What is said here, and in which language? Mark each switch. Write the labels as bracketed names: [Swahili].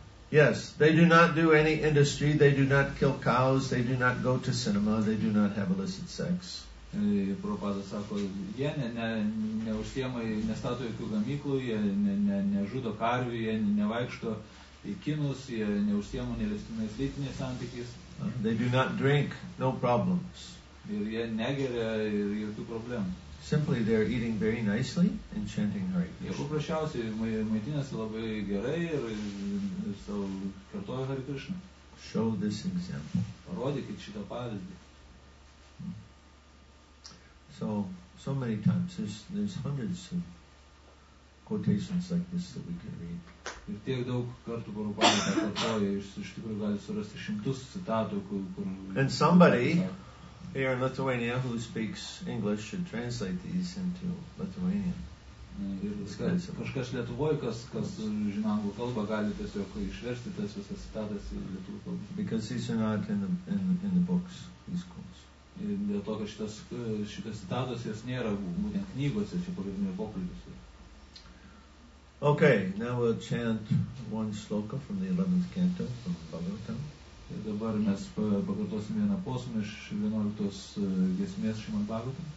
[English] Yes, they do not do any industry, they do not kill cows, they do not go to cinema, they do not have illicit sex. [Lithuanian] Prabhupada sako, jie neužsiema, nestato jokių gamyklų, jie nežudo karvių, jie nevaikšto į kinus, jie neužsiema neleistinais lytiniais santykiais. [English] They do not drink, no problems. [Lithuanian] Ir jie negeria ir jokių problemų. [English] Simply they are eating very nicely and chanting Hare Krishna. [Lithuanian] Jie paprasčiausiai maitinasi labai gerai ir savo kartoja Hare Krishna. [English] Show this example. [Lithuanian] Parodykit šitą pavyzdį. [English] So many times there's hundreds of quotations like this that we can read. [Lithuanian] Ir tiek daug kartų Prabhupada kartoja, iš tikrųjų gali surasti šimtus citatų, kur... [English] And somebody here in Lithuania, who speaks English, should translate these into Lithuanian. [Lithuanian] Kažkas Lietuvoj, kas žino anglų kalbą, gali tiesiog išversti tas visas citatas į lietuvių kalbą. [English] Because these are not in the books, these quotes. [Lithuanian] Dėl to, kad šitas citatos jas nėra būtent knygose, čia pagrindinio pokalbiuose. [English] Okay, now we'll chant one sloka from the 11th canto from Bhagavatam. [Lithuanian] Ir dabar mes pakartosime vieną posmį iš 11 giesmės Šrimad Bhagavatam.